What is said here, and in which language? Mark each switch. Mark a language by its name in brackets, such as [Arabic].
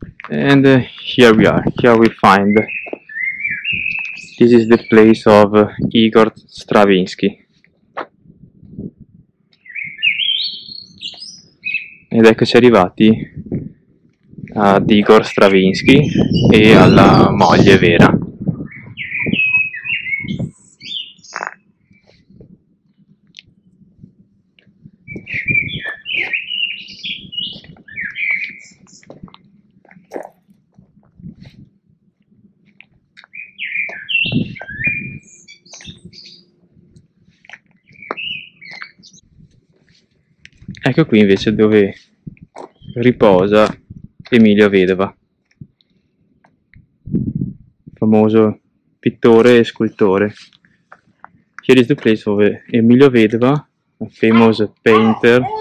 [English] And here we are, here we find, this is the place of Igor Stravinsky. [Italian] Ed eccoci arrivati ad Igor Stravinsky e alla moglie Vera. Ecco qui invece dove riposa Emilio Vedova, famoso pittore e scultore. [English] Here is the place dove Emilio Vedova, a famous painter,